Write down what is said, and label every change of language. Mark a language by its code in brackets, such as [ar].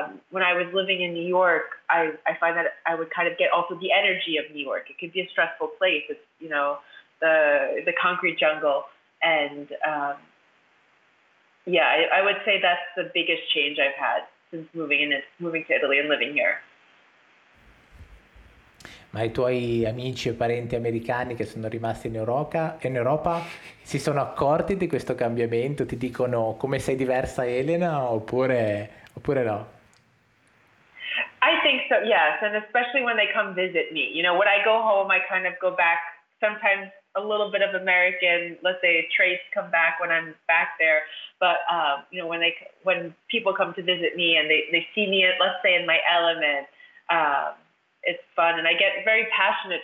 [en] when I was living in New York, I find that I would kind of get also the energy of New York. It could be a stressful place. It's, you know, the concrete jungle. And I would say that's the biggest change I've had since moving to Italy and living here. [it] Ma i tuoi amici e parenti americani che sono rimasti in Europa si sono accorti di questo cambiamento? Ti dicono come sei diversa, Elena, oppure no? [en] I think so, yes, and especially when they come visit me. You know, when I go home, I kind of go back, sometimes a little bit of American, let's say, traits come back when I'm back there. But, you know, when people come to visit me and they see me, let's say, in my element, it's fun, and I get very passionate.